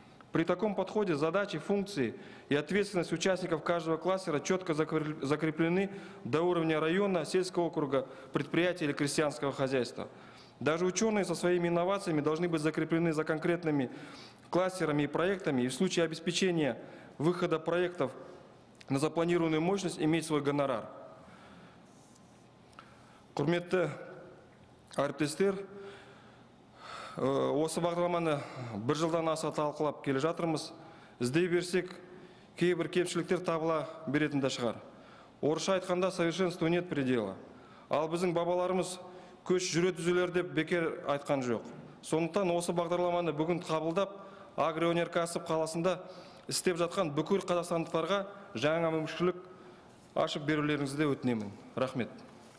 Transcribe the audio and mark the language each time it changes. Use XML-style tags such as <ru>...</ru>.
<ru>При таком подходе задачи, функции и ответственность участников каждого кластера четко закреплены до уровня района, сельского округа, предприятия или крестьянского хозяйства. Даже ученые со своими инновациями должны быть закреплены за конкретными кластерами и проектами, и в случае обеспечения выхода проектов на запланированную мощность иметь свой гонорар.</ru> <kk>Құрметті әріптестер, осы бағдарламаны бір жылдан аса талқылап келе жатырмыз. Іздей берсек, кейбір кемшіліктер табыла беретінді шығар. Орысша айтқанда,</kk> <ru>совершенству нет предела.</ru> <kk>Ал біздің бабаларымыз көш жүре түзелер деп бекер айтқан жоқ. Сондықтан осы бағдарламаны бүгін қабылдап, агроөнеркәсіп қаласында істеп жатқан бүкіл қазақстандықтарға жаңа мүмкіншілік ашып берулеріңізді өтінемін. Рахмет.</kk>